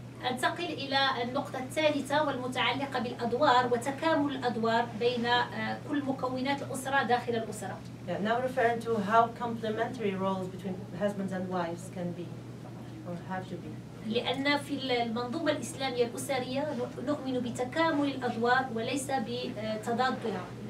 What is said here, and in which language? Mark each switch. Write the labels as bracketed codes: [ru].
[ar] أنتقل إلى النقطة الثالثة والمتعلقة بالأدوار وتكامل الأدوار بين كل مكونات الأسرة داخل الأسرة. [en] Yeah, now referring to how complementary roles between husbands and wives can be or have to be. [ar] لأن في المنظومة الإسلامية الأسرية نؤمن بتكامل الأدوار وليس بتضادها.